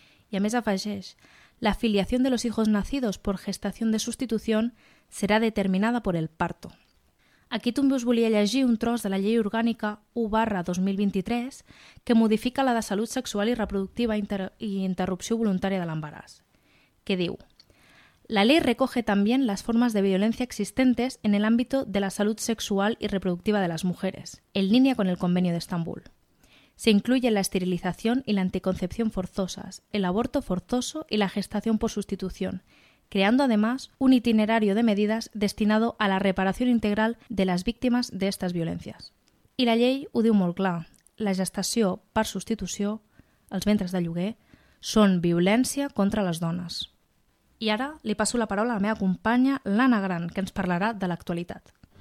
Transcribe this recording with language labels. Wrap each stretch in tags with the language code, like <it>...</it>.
<ca>I a més afegeix:</ca> <es>«La filiación de los hijos nacidos por gestación de sustitución será determinada por el parto».</es> <ca>Aquí també us volia llegir un tros de la llei orgànica 1/2023 que modifica la de salut sexual i reproductiva i interrupció voluntària de l'embaràs. Què diu?</ca> <es>La ley recoge también las formas de violencia existentes en el ámbito de la salud sexual y reproductiva de las mujeres, en línea con el Convenio de Estambul. Se incluyen la esterilización y la anticoncepción forzosas, el aborto forzoso y la gestación por sustitución, creando además un itinerario de medidas destinado a la reparación integral de las víctimas de estas violencias.</es> <ca>I la llei ho diu molt clar. La gestació per substitució, els ventres de lloguer, són violència contra les dones. I ara li passo la paraula a la meva companya, l'Anna Gran, que ens parlarà de l'actualitat.</ca>